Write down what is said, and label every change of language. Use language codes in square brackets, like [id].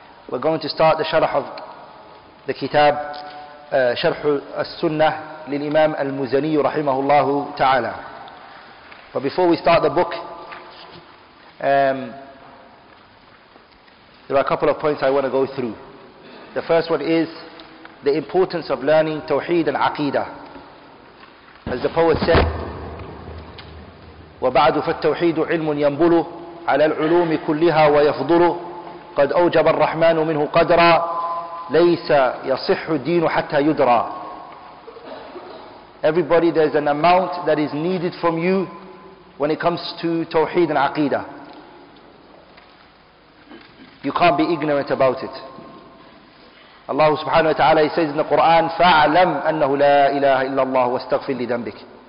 [en] We're going to start the sharh of the kitab شرح السنة للإمام المزني رحمه الله تعالى. But before we start the book, there are a couple of points I want to go through. The first one is the importance of learning Tawheed and Aqeedah. As the poet said, [ar] وبعد فالتوحيد علم ينبل على العلوم كلها ويفضل قد أوجب الرحمن منه قدرا لَيْسَ يَصِحُّ الدِّينُ حَتَّى يُدْرَى. [en] Everybody, there's an amount that is needed from you when it comes to Tawheed and Aqeedah. You can't be ignorant about it. Allah subhanahu wa ta'ala, he says in the Quran, [ar] فَاعْلَمْ أَنَّهُ لَا إِلَهَ إِلَّا اللَّهُ وَاسْتَغْفِرْ لِذَنْبِكَ.